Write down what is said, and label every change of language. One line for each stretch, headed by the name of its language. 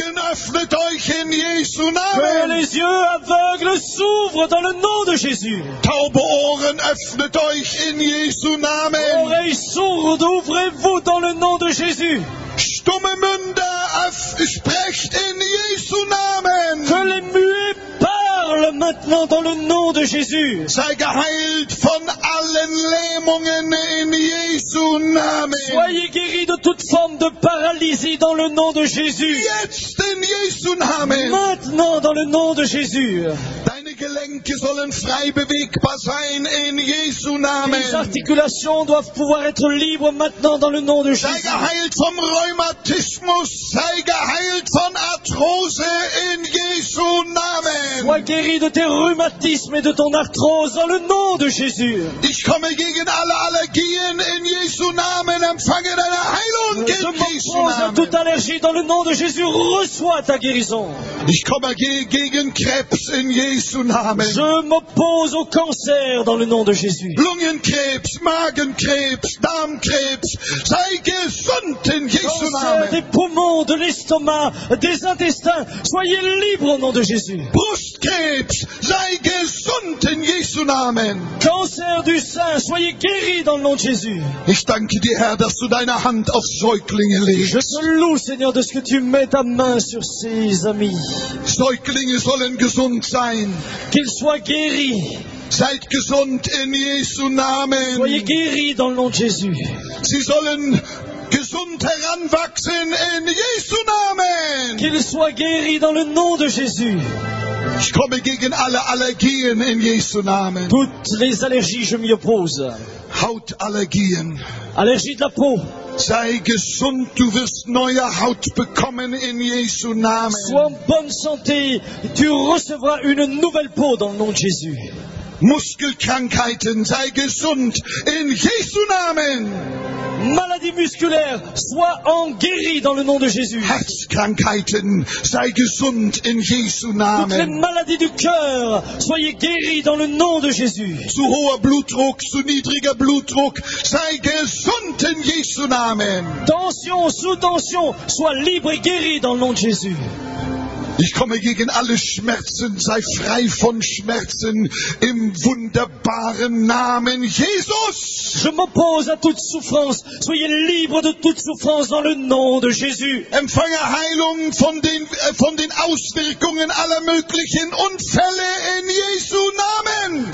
German: Öffnet euch in Jesu Namen.
French: Que les yeux aveugles s'ouvrent dans le nom de Jésus.
German: Taube Ohren, öffnet euch in Jesu Namen.
French: Oreilles sourdes, ouvrez-vous dans le nom de Jésus.
German: Stumme Münder, sprecht in Jesu Namen.
French: Que les muets parlent maintenant dans le nom de Jésus.
German: Sei geheilt von allen Lähmungen in Jesu Namen.
French: Soyez guéri de toute forme de paralysie dans le nom de Jésus.
German: Jetzt in Jesu Namen.
French: Maintenant dans le nom de Jésus.
German: Deine Gelenke sollen frei bewegbar sein in Jesu Namen.
French: Les articulations doivent pouvoir être libres maintenant dans le nom de Jésus.
German: Sei geheilt vom Rheumatismus, sei geheilt von Arthrose in Jesu Namen.
French: Sois guéri de tes rhumatismes et de ton arthrose dans le nom de Jésus.
German: Ich komme gegen alle Allergien in Jesu Namen, empfange deine Heilung in Jesu Namen.
French: Toute allergie dans le nom de Jésus, reçois ta guérison.
German: Ich komme gegen Krebs in Jesu Namen.
French: Je m'oppose au cancer dans le nom de Jésus.
German: Lungenkrebs, Magenkrebs, Darmkrebs, sei gesund in Jesu Namen.
French: Cancer des poumons, de l'estomac, des intestins, soyez libre au nom de Jésus.
German: Brustkrebs, sei gesund in Jesu Namen.
French: Cancer du sein, soyez guéri dans le nom de Jésus.
German: Ich danke dir, Herr, dass du deine Hand auf Säuglinge legst.
French: Je te loue, Seigneur, de ce que tu mets ta main sur ses amis.
German: Säuglinge sollen gesund sein.
French: Qu'ils soient guéris.
German: Seid gesund in Jesu Namen.
French: Soyez guéris dans le nom de Jésus.
German: Sie sollen gesund heranwachsen in Jesu Namen.
French: Qu'ils soient guéris dans le nom de Jésus.
German: Ich komme gegen alle Allergien in Jesu Namen.
French: Toutes les allergies, je m'y oppose.
German: Hautallergien.
French: Allergie de la peau.
German: Sei gesund, du wirst neue Haut bekommen in Jesu Namen.
French: Sois en bonne santé, tu recevras une nouvelle peau dans le nom de Jésus.
German: Muskelkrankheiten, sei gesund in Jesu Namen.
French: Maladie musculaire, sois en guéri dans le nom de Jésus.
German: Herzkrankheiten, sei gesund in Jesu Namen.
French: Toutes les maladies du cœur, soyez guéri dans le nom de Jésus.
German: Zu hoher Blutdruck, zu niedriger Blutdruck, sei gesund in Jesu Namen.
French: Tension, sous tension, sois libre et guéri dans le nom de Jésus.
German: Ich komme gegen alle Schmerzen, sei frei von Schmerzen im wunderbaren Namen Jesus.
French: Je m'oppose à toute souffrance, soyez libre de toute souffrance dans le nom de Jésus.
German: Empfange Heilung von den Auswirkungen aller möglichen Unfälle in Jesu Namen.